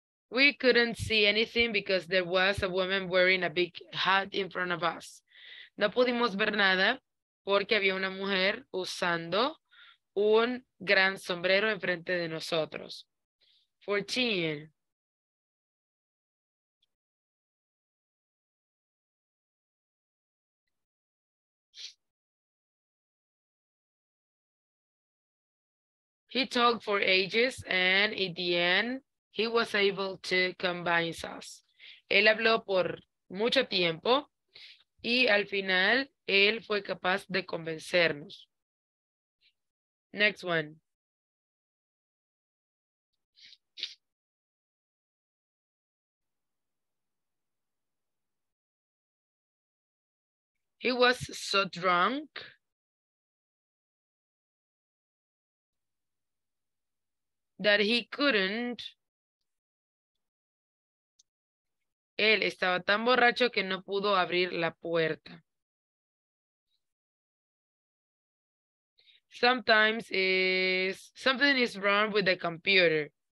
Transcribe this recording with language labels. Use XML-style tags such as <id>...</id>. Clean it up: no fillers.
<en>We couldn't see anything because there was a woman wearing a big hat in front of us.</en> <es>No pudimos ver nada porque había una mujer usando un gran sombrero enfrente de nosotros.</es> <en>14. He talked for ages and in the end, he was able to convince us.</en> <es>Él habló por mucho tiempo y al final él fue capaz de convencernos.</es> <en>Next one. He was so drunk. That he couldn't.</en> <es>Él estaba tan borracho que no pudo abrir la puerta.</es> <en>Sometimes is something is wrong with the computer.</en>